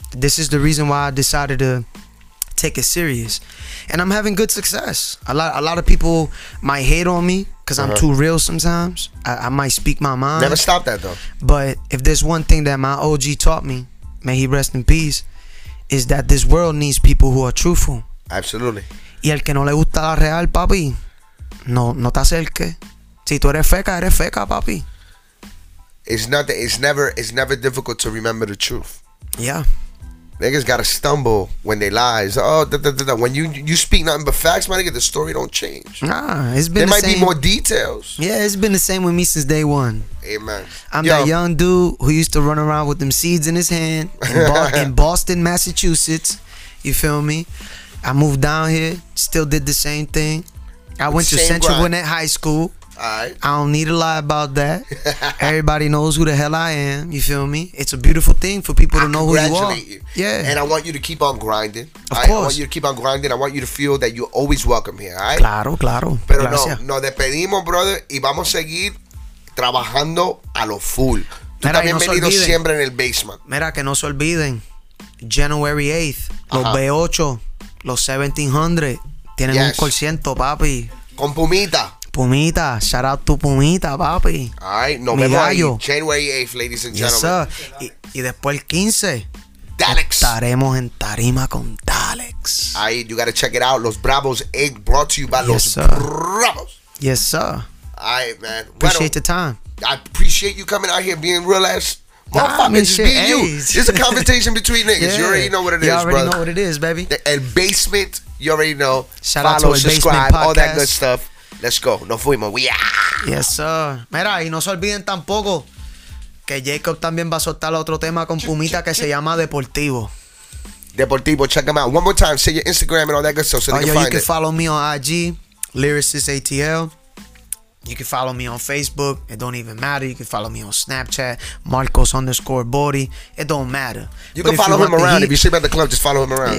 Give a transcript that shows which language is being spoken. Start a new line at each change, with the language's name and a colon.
English: This is the reason why I decided to take it serious. And I'm having good success. A lot of people might hate on me because I'm too real sometimes. I might speak my mind. Never stop that, though. But if there's one thing that my OG taught me, may he rest in peace, is that this world needs people who are truthful. Absolutely.
Spanish: Y el que no le gusta la real, papi, no te acerque. Si tú eres feca, papi.
English: It's never difficult to remember the truth. Yeah. Niggas gotta stumble when they lie. Oh, da-da-da-da. When you speak nothing but facts, my nigga, the story don't change. Nah, it's been the same. There might be more details. Yeah, it's been the same with me since day one. Amen. That young dude who used to run around with them seeds in his hand in Boston, Massachusetts. You feel me? I moved down here, still did the same thing. I went to Central Gwinnett High School. Right. I don't need to lie about that. Everybody knows who the hell I am. You feel me? It's a beautiful thing for people to know who you are. I congratulate you. Yeah. And I want you to keep on grinding. Of course. I want you to keep on grinding. I want you to feel that you're always welcome here. All right?
Spanish: Claro, claro. Pero gracias. Nos despedimos, brother. Y vamos a seguir trabajando a lo full. Tú mira, también no venido siempre en el basement. Mira, que no se olviden. January 8th. Los B8. Los 1700. Tienen un corciento, papi. Con Pumita.
English: Pumita, shout out to Pumita, papi. All right,
Spanish: no me vayo.
English: January 8th, ladies and gentlemen. Yes, sir.
Spanish: Y después el 15, Dalex. Estaremos en tarima con Dalex.
English: All right, you got to check it out. Los Bravos 8 brought to you by Bravos. Yes, sir. All right, man. Appreciate the time. I appreciate you coming out here being real ass. Motherfucker, just being you. It's a conversation between niggas. Yeah. You already know what it is, brother. You already know what it is, baby. El Basement, you already know. Shout follow, out to subscribe, Basement Podcast. All that good stuff. Let's go.
Spanish: Nos fuimos.
English: We are. Yes, sir.
Spanish: Mira, y no se olviden tampoco que Jacob también va a soltar otro tema con Pumita que se llama Deportivo.
English: Deportivo. Check him out. One more time. See your Instagram and all that good stuff so they can find it. You can follow me on IG, Lyricist ATL. You can follow me on Facebook. It don't even matter. You can follow me on Snapchat, Marcos_Bori. It don't matter. You can follow him around. If you sleep at the club, just follow him around.